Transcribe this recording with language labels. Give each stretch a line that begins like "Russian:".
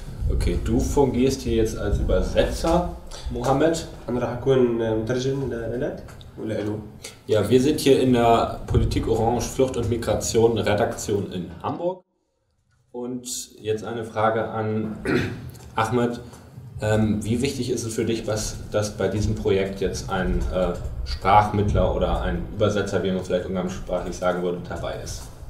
German: Okay, du fungierst hier jetzt als Übersetzer, Mohammed.
Arabic: أنا راح أكون مترجم لك ولا له.
German: Ja, wir sind hier in der Politik Orange Flucht und Migration Redaktion in Hamburg. Und jetzt eine Frage an Ahmed. Wie wichtig ist es für dich, dass bei diesem Projekt jetzt ein Sprachmittler oder ein Übersetzer, wie man vielleicht umgangssprachlich sagen würde, dabei ist?